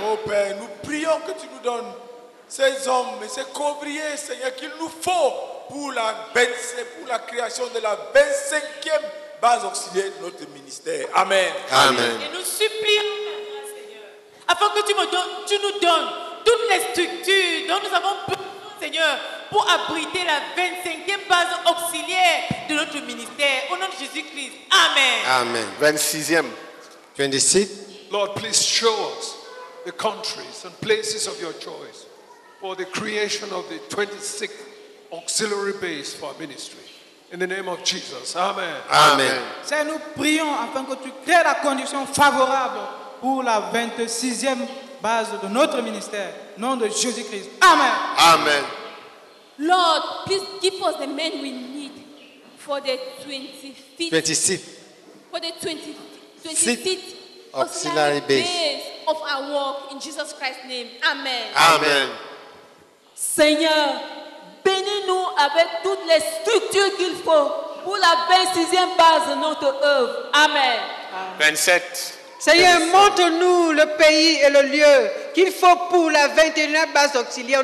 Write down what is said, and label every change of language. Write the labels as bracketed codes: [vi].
[fr] Ô Père, nous prions que tu nous donnes ces hommes et ces couvriers, Seigneur, qu'il nous faut pour la création de la 25e base auxiliaire de notre ministère. Amen. Amen. Et nous supplions, Seigneur, afin que tu nous donnes toutes les structures dont nous avons besoin, Seigneur, pour abriter la 25e base auxiliaire de notre ministère. Au nom de Jésus-Christ. Amen. Amen. 26e. 26. [en] Lord, please show us the countries and places of your choice for the creation of the 26th auxiliary base for our ministry. In the name of Jesus. Amen. Amen. [fr] Seigneur, nous prions afin que tu crées la condition favorable pour la 26e base de notre ministère. Nom de Jésus-Christ. Amen. Amen. [en] Lord, please give us the men we need for the 25th. 26th. For the 25th auxiliary base of our work in Jesus Christ's name. Amen. Amen. [fr] Seigneur, bénis-nous avec toutes les structures qu'il faut pour la 26e base de notre œuvre. Amen. 27. Seigneur, montre-nous le pays et le lieu qu'il faut pour la 21e base auxiliaire.